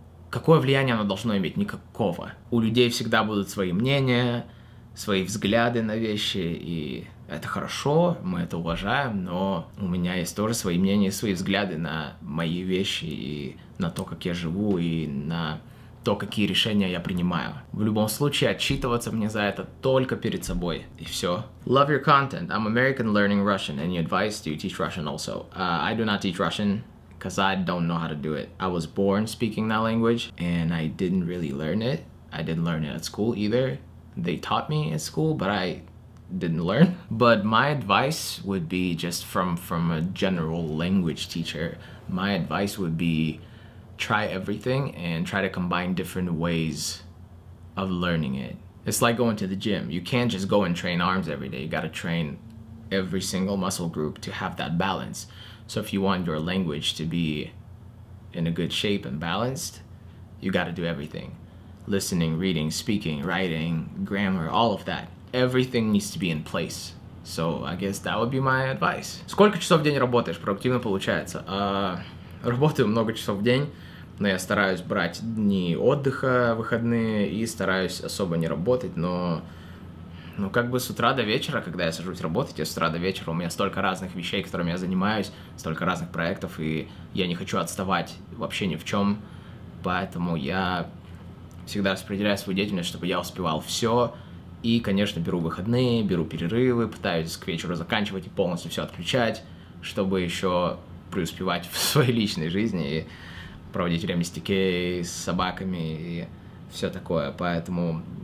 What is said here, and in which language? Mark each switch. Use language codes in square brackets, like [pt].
[ru] Какое влияние оно должно иметь? Никакого. У людей всегда будут свои мнения, свои взгляды на вещи, и это хорошо, мы это уважаем, но у меня есть тоже свои мнения, свои взгляды на мои вещи, и на то, как я живу, и на то, какие решения я принимаю. В любом случае, отчитываться мне за это только перед собой. И все. [en] Love your content. I'm American learning Russian. Any advice? Do you teach Russian also? I do not teach Russian, because I don't know how to do it. I was born speaking that language, and I didn't really learn it. I didn't learn it at school either. They taught me at school, but I didn't learn. But my advice would be just from a general language teacher. My advice would be try everything and try to combine different ways of learning it. It's like going to the gym. You can't just go and train arms every day. You gotta train every single muscle group to have that balance. So if you want your language to be in a good shape and balanced, you gotta do everything. Listening, reading, speaking, writing, grammar, all of that. Everything needs to be in place. So I guess that would be my advice. [ru] Сколько часов в день работаешь? Продуктивно получается? работаю много часов в день, но я стараюсь брать дни отдыха, выходные, и стараюсь особо не работать, но... Ну, как бы с утра до вечера, когда я сажусь работать, я с утра до вечера, у меня столько разных вещей, которыми я занимаюсь, столько разных проектов, и я не хочу отставать вообще ни в чем, поэтому я всегда распределяю свою деятельность, чтобы я успевал все, и, конечно, беру выходные, беру перерывы, пытаюсь к вечеру заканчивать и полностью все отключать, чтобы еще преуспевать в своей личной жизни и проводить время с Тикей, с собаками и все такое, поэтому...